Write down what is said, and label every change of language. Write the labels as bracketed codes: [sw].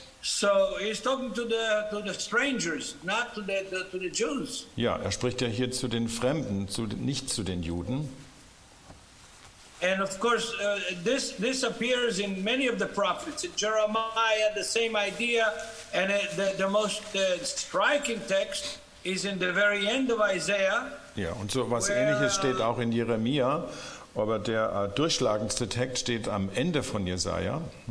[en] So he's talking to the strangers, not to the Jews. [de] Ja, er spricht ja hier zu den Fremden, nicht zu den Juden. [en] And of course this appears in many of the prophets. In Jeremiah the same idea, and the most striking text is in the very end of Isaiah. [de] Ja, und so was Ähnliches steht auch in Jeremia, aber der durchschlagendste Text steht am Ende von Jesaja.